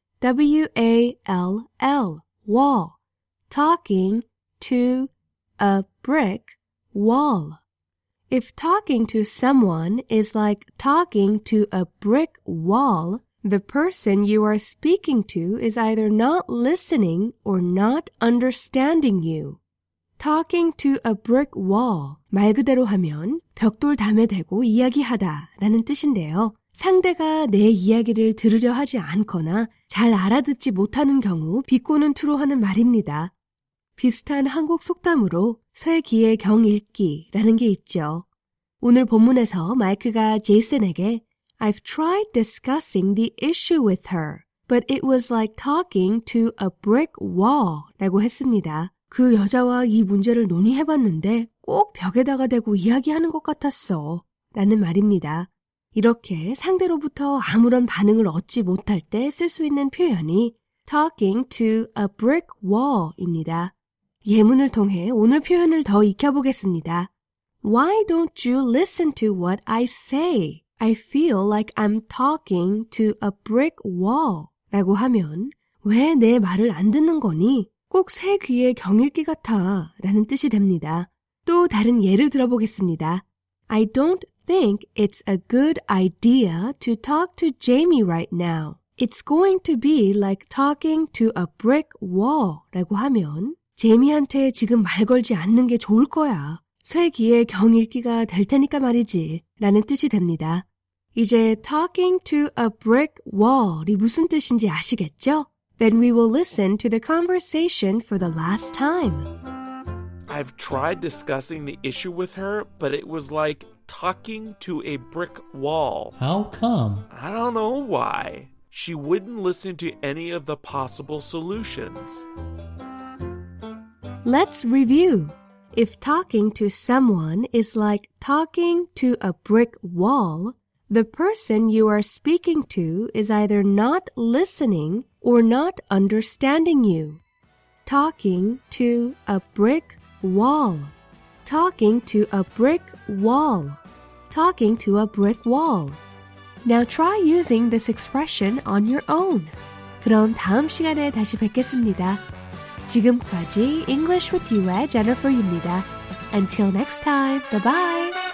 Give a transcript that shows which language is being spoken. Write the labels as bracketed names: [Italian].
[English] W-A-L-L. Wall. Talking to a brick wall. If talking to someone is like talking to a brick wall, the person you are speaking to is either not listening or not understanding you. Talking to a brick wall. [Korean] 말 그대로 하면 벽돌 담에 대고 이야기하다 라는 뜻인데요. 상대가 내 이야기를 들으려 하지 않거나 잘 알아듣지 못하는 경우 비꼬는 투로 하는 말입니다. 비슷한 한국 속담으로 쇠기의 경 읽기라는 게 있죠. 오늘 본문에서 마이크가 제이슨에게 [English] I've tried discussing the issue with her, but it was like talking to a brick wall [Korean] 라고 했습니다. 그 여자와 이 문제를 논의해봤는데 꼭 벽에다가 대고 이야기하는 것 같았어 라는 말입니다. 이렇게 상대로부터 아무런 반응을 얻지 못할 때 쓸 수 있는 표현이 [English] talking to a brick wall [Korean] 입니다. 예문을 통해 오늘 표현을 더 익혀보겠습니다. [English] Why don't you listen to what I say? I feel like I'm talking to a brick wall. [Korean] 라고 하면 왜 내 말을 안 듣는 거니? 꼭 새 귀에 경읽기 같아 라는 뜻이 됩니다. 또 다른 예를 들어보겠습니다. [English] I don't think it's a good idea to talk to Jamie right now. It's going to be like talking to a brick wall. [Korean] 라고 하면 제이미한테 지금 말 걸지 않는 게 좋을 거야. 쇠기의 경읽기가 될 테니까 말이지 라는 뜻이 됩니다. 이제 [English] talking to a brick wall이 [Korean] 무슨 뜻인지 아시겠죠? [English] Then we will listen to the conversation for the last time. I've tried discussing the issue with her, but it was like talking to a brick wall. How come? I don't know why. She wouldn't listen to any of the possible solutions. Let's review. If talking to someone is like talking to a brick wall, the person you are speaking to is either not listening or not understanding you. Talking to a brick wall. Talking to a brick wall. Talking to a brick wall. Now try using this expression on your own. [Korean] 그럼 다음 시간에 다시 뵙겠습니다. 지금까지 English with you의 Jennifer입니다. [English] Until next time, bye-bye!